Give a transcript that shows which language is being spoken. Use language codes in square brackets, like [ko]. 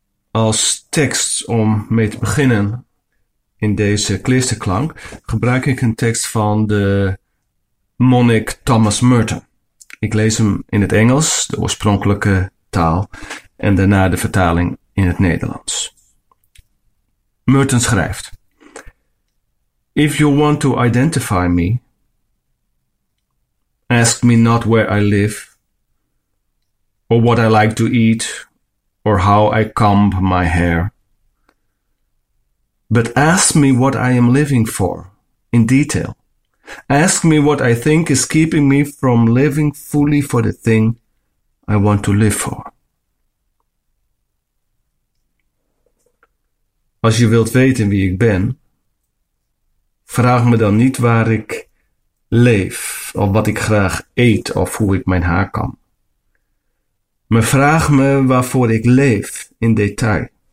[nl] Als tekst om mee te beginnen in deze klisterklank gebruik ik een tekst van de monnik Thomas Merton. Ik lees hem in het Engels, de oorspronkelijke taal, en daarna de vertaling in het Nederlands. Merton schrijft: [en] If you want to identify me, ask me not where I live, or what I like to eat, or how I comb my hair. But ask me what I am living for, in detail. Ask me what I think is keeping me from living fully for the thing I want to live for. [nl] Als je wilt weten wie ik ben, vraag me dan niet waar ik leef, of wat ik graag eet, of hoe ik mijn haar kam. Maar vraag me waarvoor ik leef in detail.